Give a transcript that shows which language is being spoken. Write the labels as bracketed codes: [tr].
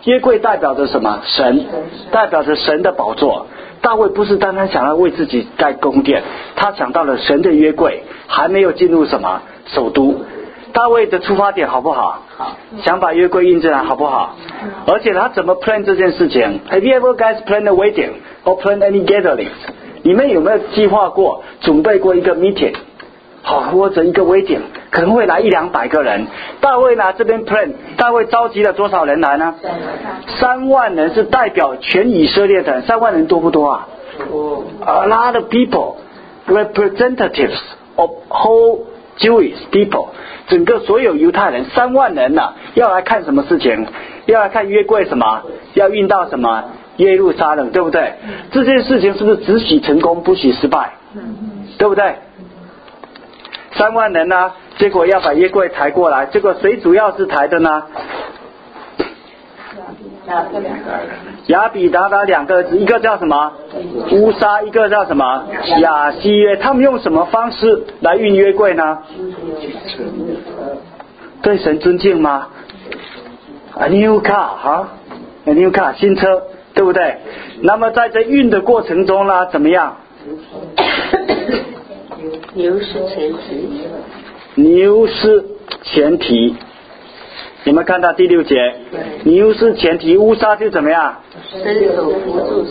[zh] 耶柜代表着什么？神，代表着神的宝座。大卫不是单单想要为自己盖宫殿，他想到了神的约柜还没有进入什么首都。大卫的出发点好不好？好，想把约柜运进来好不好？而且他怎么 plan 这件事情？ [en] Have you ever guys planned a wedding or planned any gathering? [zh] 你们有没有计划过准备过一个 meeting? 好，或者一个危险，可能会来一两百个人。大卫呢？这边 plan， 大卫召集了多少人来呢？三万人，是代表全以色列的人。三万人多不多啊？ [en] a lot of people, representatives of whole Jewish people, [zh] 整个所有犹太人三万人呢、啊，要来看什么事情？要来看约柜什么？要运到什么耶路撒冷，对不对？这件事情是不是只许成功不许失败？对不对？三万人呢、啊，结果要把约柜抬过来，结果谁主要是抬的呢？亚比达达两个儿子，一个叫什么乌沙，一个叫什么亚西约，他们用什么方式来运约柜呢？对神尊敬吗？ [en] A new car、A new car [zh] 新车，对不对？那么在这运的过程中呢，怎么样？牛是前蹄，牛是前蹄，你们看到第六节，牛是前蹄，乌撒就怎么样？伸手扶住，